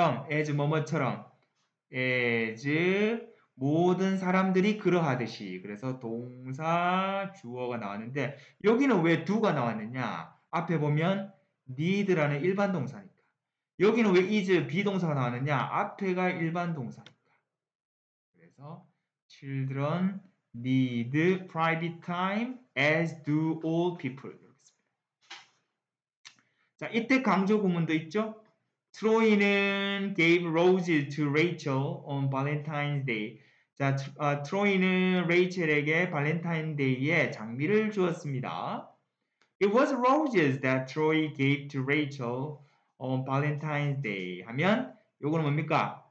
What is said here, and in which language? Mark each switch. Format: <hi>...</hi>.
<ko>as 모든 사람들이 그러하듯이. 그래서 동사 주어가 나왔는데 여기는 왜 do가 나왔느냐? 앞에 보면 need라는 일반 동사니까. 여기는 왜 is 비동사가 나왔느냐? 앞에가 일반 동사니까. 그래서</ko> <en>children need private time as do all people.</en> <ko>이렇게 씁니다. 자, 이때 강조 구문도 있죠?</ko> <en>Troy는 gave roses to Rachel on Valentine's Day.</en> <ko>자, 트로이는 레이첼에게 발렌타인 데이에 장미를 주었습니다.</ko> <en>It was roses that Troy gave to Rachel on Valentine's Day</en> <ko>하면 요거는 뭡니까?</ko>